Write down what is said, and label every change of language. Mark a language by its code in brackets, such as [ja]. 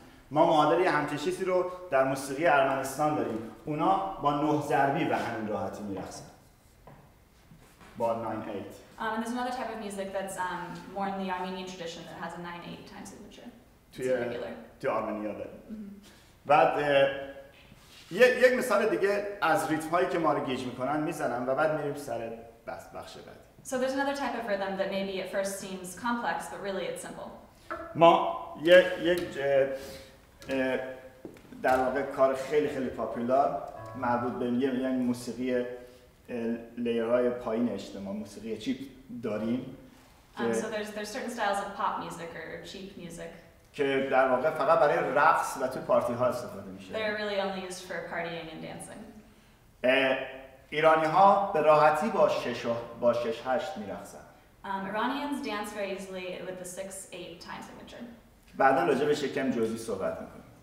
[fa] ما معادلی همکشیسی رو در موسیقی ارمنستان داریم. اونا با 9 ضربی به همین راحتی می‌رقصن. با 9/8. [en] And there's another type of music that's more in the Armenian tradition that has a 9/8 time signature. [fa] تو آرمنیا داریم. بعد یک مثال دیگه از ریتم هایی که ما رو گیج میکنن میزنم و بعد میریم سر بخش بعدی. [en] So there's another type of rhythm that maybe at first seems complex, but really it's simple. [fa] ما یک در واقع کار خیلی خیلی پاپولار مربوط به یک موسیقی لیرهای پایین اجتماع موسیقی چیپ داریم. [en] So there's certain styles of pop music or cheap music. [fa] که در واقع فقط برای رقص و تو پارتی ها استفاده میشه. [en] They're really only used for partying and dancing. [fa] ایرانی ها به راحتی با 6/8 میرقصن. [en] Iranians dance very easily with the 6/8 time signature. [fa] بعداً راجع به شکم جزئی صحبت میکنیم.